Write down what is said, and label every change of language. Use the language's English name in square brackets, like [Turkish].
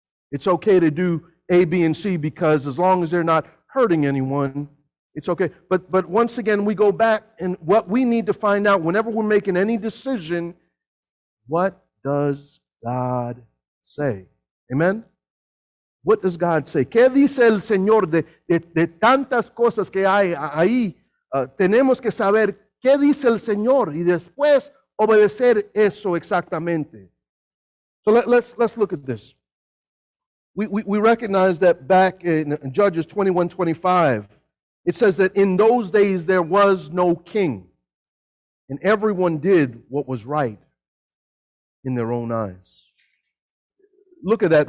[English] It's okay to do A, B, and C because as long as they're not hurting anyone, it's okay. But once again, we go back and what we need to find out whenever we're making any decision, what does God say? Amen? What does God say? [Spanish] ¿Qué dice el Señor de tantas cosas que hay ahí? Tenemos que saber qué dice el Señor y después obedecer eso exactamente. [English] So let's look at this. We recognize that back in Judges 21:25, it says that in those days there was no king, and everyone did what was right in their own eyes. Look at that.